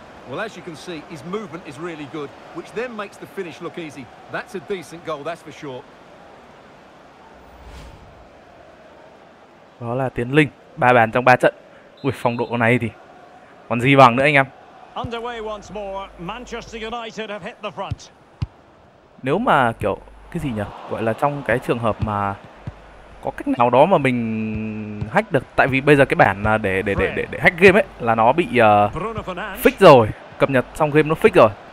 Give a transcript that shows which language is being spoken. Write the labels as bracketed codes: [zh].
[en] Well, as you can see, his movement is really good, which then makes the finish look easy. That's a decent goal, that's for sure. [vi] Đó là Tiến Linh, ba bàn trong ba trận. Ui, phong độ này thì còn gì bằng nữa anh em. [en] Underway once more. Manchester United have hit the front. [vi] Nếu mà kiểu cái gì nhỉ? Gọi là trong cái trường hợp mà có cách nào đó mà mình hack được, tại vì bây giờ cái bản để hack game ấy là nó bị fix rồi, cập nhật xong game nó fix rồi.